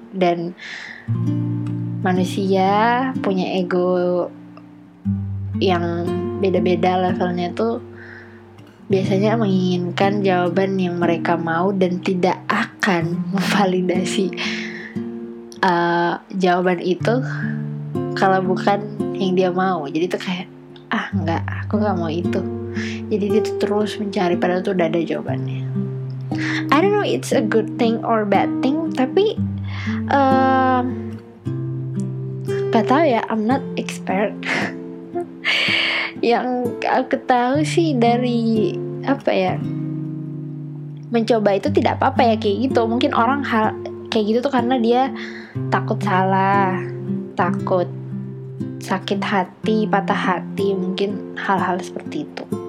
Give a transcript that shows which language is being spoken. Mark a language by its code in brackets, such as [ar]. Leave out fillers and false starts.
[id] Dan manusia punya ego yang beda-beda levelnya tuh, biasanya menginginkan jawaban yang mereka mau dan tidak akan memvalidasi jawaban itu kalau bukan yang dia mau. Jadi tuh kayak enggak, aku gak mau itu. Jadi dia tuh terus mencari padahal tuh udah ada jawabannya. [en] I don't know it's a good thing or bad thing, [id] tapi gak tahu ya, [en] I'm not expert. [id] Yang aku tahu sih dari apa ya, mencoba itu tidak apa-apa ya, kayak gitu. Mungkin orang kayak gitu tuh karena dia takut salah, takut sakit hati, patah hati, mungkin hal-hal seperti itu.